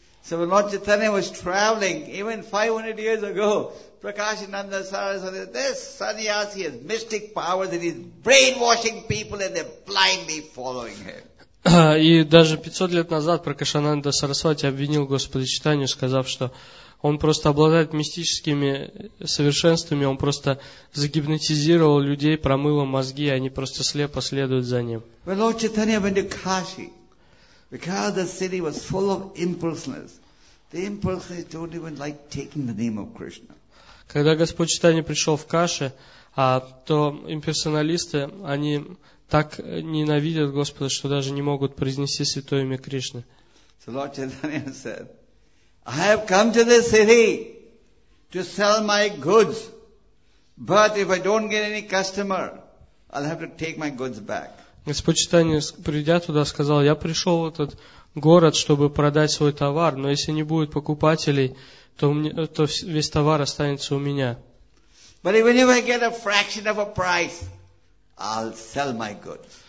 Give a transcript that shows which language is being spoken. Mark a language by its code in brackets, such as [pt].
[en] So when Lord Chaitanya was traveling, even 500 years ago, Prakashananda Saraswati, this sannyasi has mystic powers and he's brainwashing people and they're blindly following him. [ru] И даже 500 лет назад Пракашананда Сарасвати обвинил Господа Чайтанью, сказав, что он просто обладает мистическими совершенствами, он просто загипнотизировал людей, промыл мозги, и они просто слепо следуют за ним. Когда Господь Чайтанья пришел в Каши, то имперсоналисты, они так ненавидят Господа, что даже не могут произнести святое имя Кришны. [en] I have come to this city to sell my goods, but if I don't get any customer, I'll have to take my goods back. [ru] Господь Чайтанья, придя туда, сказал: я пришел в этот город, чтобы продать свой товар, но если не будет покупателей, то весь товар останется у меня. [en] But even if I get a fraction of a price, I'll sell my goods.